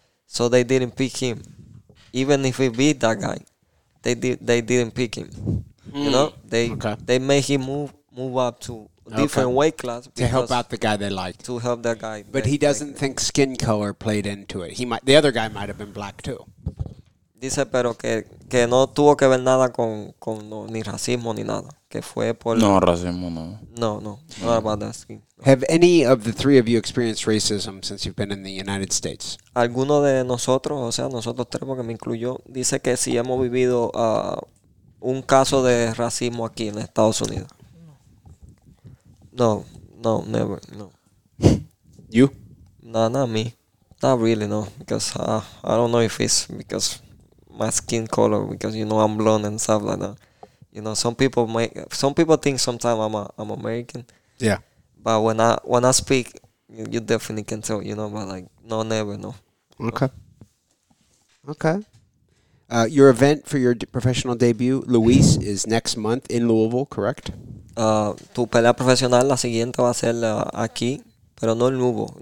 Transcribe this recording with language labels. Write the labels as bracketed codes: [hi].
[en] So they didn't pick him. Even if he beat that guy, they didn't pick him. You know, they made him move up to different weight class to help out the guy they like. To help that guy, but he doesn't think skin color played into it. He might. The other guy might have been black too. [es] Dice, pero que no tuvo que ver nada con no, ni racismo ni nada. Que fue por no racismo no. [en] No. Not about that skin. Have any of the three of you experienced racism since you've been in the United States? [es] Alguno de nosotros, o sea, nosotros tres, porque me incluyó, dice que sí hemos vivido un caso de racismo aquí en Estados Unidos. [en] No, never, no. You? Not me. Not really, no. Because I don't know if it's because my skin color, because, you know, I'm blonde and stuff like that. You know, some people think sometimes I'm American. Yeah. But when I speak, you definitely can tell, you know, but like, no, never, no. Okay. No. Okay. Your event for your professional debut, Luis, is next month in Louisville, correct? [es] Tu pelea profesional, la siguiente va a ser aquí, pero no en Louisville.